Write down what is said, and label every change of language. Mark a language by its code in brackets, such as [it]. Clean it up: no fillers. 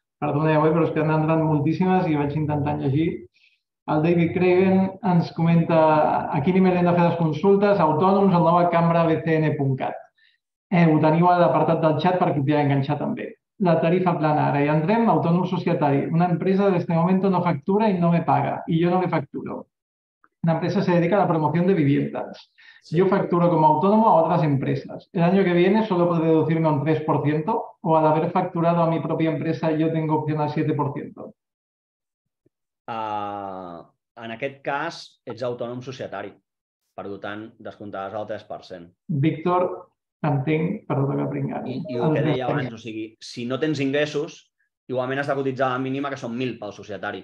[ca] Perdoneu, però és que han entrat moltíssimes i vaig intentant llegir. El David Craven ens comenta a quin email hem de fer les consultes, autònoms, el nova cambra bcn.cat. Ho teniu a l'apartat del xat perquè t'hi ha enganxat també. La tarifa plana, ara hi entrem, autònom societari. [es] Una empresa en este momento no factura y no me paga. Y yo no le facturo. Una empresa se dedica a la promoción de viviendas. Sí. Yo facturo como autónomo a otras empresas. El año que viene solo puedo deducirme un 3% o al haber facturado a mi propia empresa yo tengo opción al 7%. [ca] En aquest cas, ets autònom societari. Per tant, descomptades al 3%. Víctor... Entenc, però t'ho he pringat. I el que deia abans, o sigui, si no tens ingressos, igualment has de cotitzar la mínima, que són 1.000 pel societari.